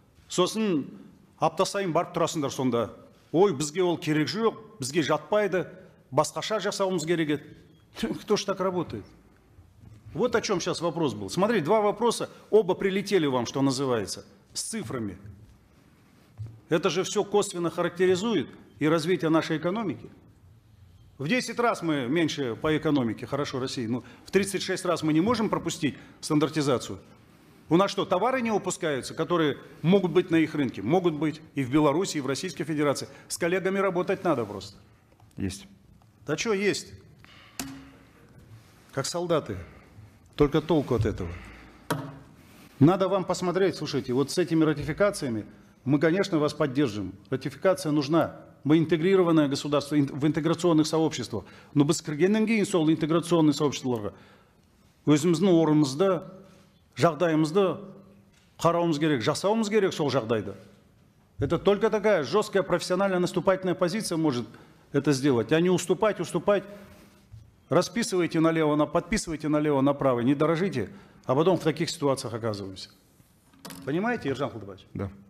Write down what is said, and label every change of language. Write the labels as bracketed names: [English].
[Kazakh] Сосын аптасайын барып тұрасындар сонда. Ой, бізге ол керек жоқ, бізге жатпайды, басқаша жасауымыз керек. [Russian] Кто ж так работает? Вот о чем сейчас вопрос был. Смотри, два вопроса, оба прилетели вам, что называется, с цифрами. Это же все косвенно характеризует и развитие нашей экономики. В 10 раз мы меньше по экономике, хорошо, России, но в 36 раз мы не можем пропустить стандартизацию. У нас что, товары не выпускаются, которые могут быть на их рынке? Могут быть и в Беларуси, и в Российской Федерации. С коллегами работать надо просто. Есть. Да что есть? Как солдаты. Только толку от этого. Надо вам посмотреть, слушайте, вот с этими ратификациями мы, конечно, вас поддержим. Ратификация нужна. Мы интегрированное государство в интеграционных сообществах. Но без Кыргызстан [Kazakh] сол [Russian] интеграционные сообщества. Возьмем нормы, да? [Kazakh] Жағдайымызды қарауымыз керек, жасауымыз керек сол жағдайды. [Russian] Это только такая жесткая профессиональная наступательная позиция может это сделать, а не уступать, уступать. Расписывайте налево, подписывайте налево, направо, не дорожите, а потом в таких ситуациях оказываемся. Понимаете, Ержан Халдыбаевич? Да.